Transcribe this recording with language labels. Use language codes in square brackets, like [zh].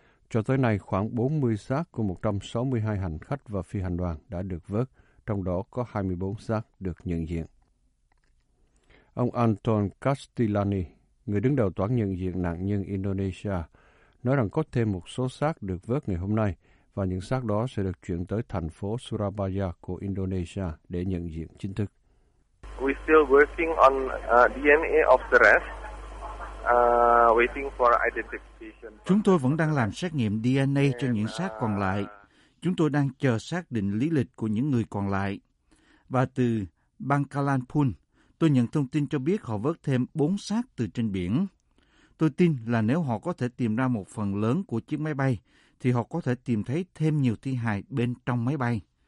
[vi] Cho tới nay, khoảng 40 xác của 162 hành khách và phi hành đoàn đã được vớt, trong đó có 24 xác được nhận diện. Ông Anton Castellani, người đứng đầu toán nhận diện nạn nhân Indonesia, nói rằng có thêm một số xác được vớt ngày hôm nay và những xác đó sẽ được chuyển tới thành phố Surabaya của Indonesia để nhận diện chính thức. [en] We're still working on DNA of the rest, waiting for identification. [vi] Chúng tôi vẫn đang làm xét nghiệm DNA cho những xác còn lại. Chúng tôi đang chờ xác định lý lịch của những người còn lại. Và từ Bangkalan Pun, tôi nhận thông tin cho biết họ vớt thêm 4 xác từ trên biển. Tôi tin là nếu họ có thể tìm ra một phần lớn của chiếc máy bay, thì họ có thể tìm thấy thêm nhiều thi hài bên trong máy bay.